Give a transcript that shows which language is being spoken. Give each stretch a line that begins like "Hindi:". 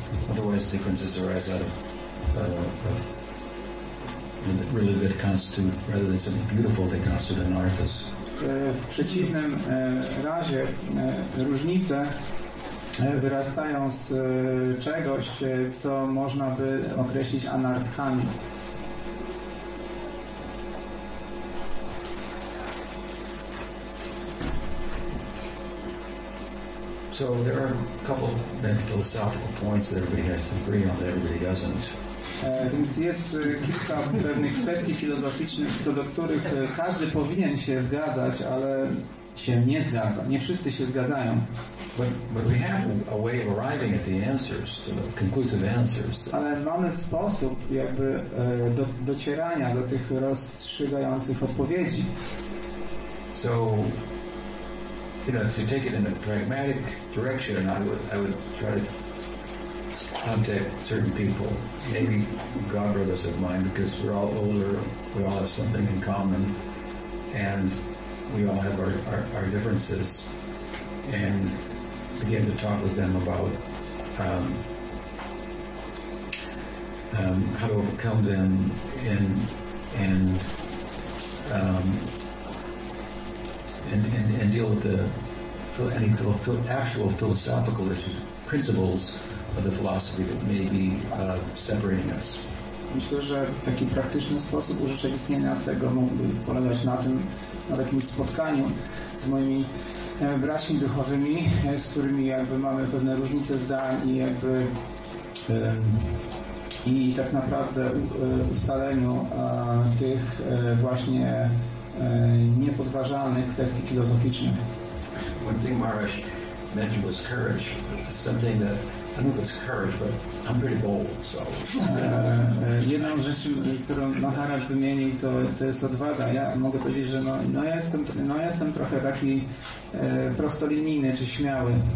English: Otherwise differences arise out of really that constitute, rather than something beautiful, they constitute an arthas.
Polish: W przeciwnym razie różnice wyrastają z czegoś, co można by określić anarthami.
English: So there are a couple of philosophical points that everybody has to agree on that everybody doesn't.
Polish: Więc jest kilka pewnych kwestii filozoficznych, co do których każdy powinien się zgadzać, ale się nie zgadza. Nie wszyscy się zgadzają.
English: But we have a way of arriving at the answers, conclusive answers.
Polish: Ale mamy sposób jakby docierania do tych rozstrzygających odpowiedzi.
English: So, you know, to take it in a pragmatic direction, I would try to contact certain people, maybe God brothers of mine, because we're all older, we all have something in common, and we all have our differences, and begin to talk with them about how to overcome them and deal with any actual philosophical issues, principles of the philosophy that may be separating us.
Polish: Myślę, że taki praktyczny sposób urzeczywistnienia z tego mógłby polegać na tym, na takim spotkaniu z moimi braćmi duchowymi, z którymi jakby mamy pewne różnice zdań i jakby i tak naprawdę ustaleniu tych właśnie niepodważalnych kwestii filozoficznych.
English: One thing Maharaj mentioned was courage, something that I don't know if it's courage, but I'm pretty bold, so.
Polish: Jedną rzecz, którą Maharaj wymienił, to jest odwaga. Ja mogę powiedzieć, że jestem trochę taki prostolinijny czy śmiały.